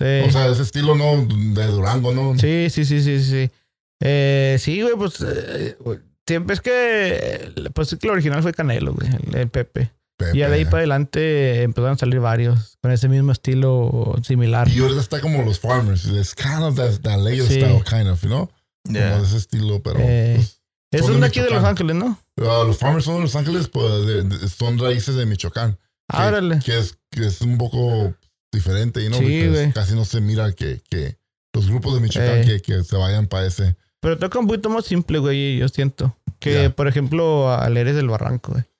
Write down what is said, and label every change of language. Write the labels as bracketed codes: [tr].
[es] O sea, ese estilo no de Durango, ¿no? Sí. Sí, güey, pues... siempre es que... Pues el original fue Canelo, güey. El Pepe. Y de ahí para adelante empezaron a salir varios con ese mismo estilo similar. Y ahorita está como los Farmers. [en] It's kind of that Leo style, kind of, you know? [es] Yeah. Como ese estilo, pero... Es un de aquí de Los Ángeles, ¿no? Los Farmers son de Los Ángeles, pues son raíces de Michoacán. Árale. Que es un poco diferente, ¿no? Sí, güey. Casi no se mira que los grupos de Michoacán que se vayan para ese. Pero toca un poquito más simple, güey, yo siento. Que, por ejemplo, al Eres del Barranco, güey.